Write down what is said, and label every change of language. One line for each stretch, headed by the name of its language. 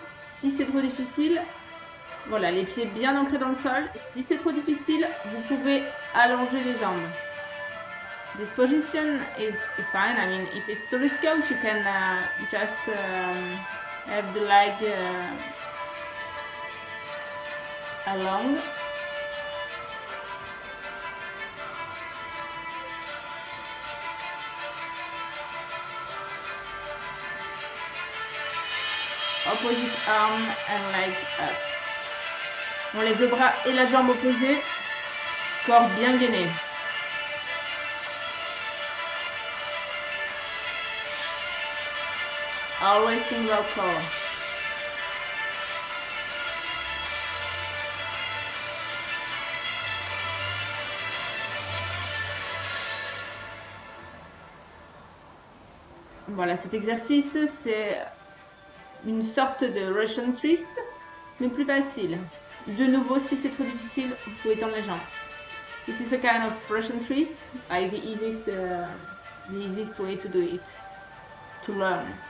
French: Si c'est trop difficile, voilà, les pieds bien ancrés dans le sol. Si c'est trop difficile, vous pouvez allonger les jambes.
English: This position is fine. I mean, if it's too difficult, you can just have the leg along. Opposite arm and leg up.
French: On lève le bras et la jambe opposée. Corps bien gainé.
English: Always single core.
French: Voilà, cet exercice, c'est une sorte de Russian twist, mais plus facile. De nouveau, si c'est trop difficile, vous pouvez tendre les jambes.
English: This is a kind of Russian twist, like the easiest way to do it, to learn.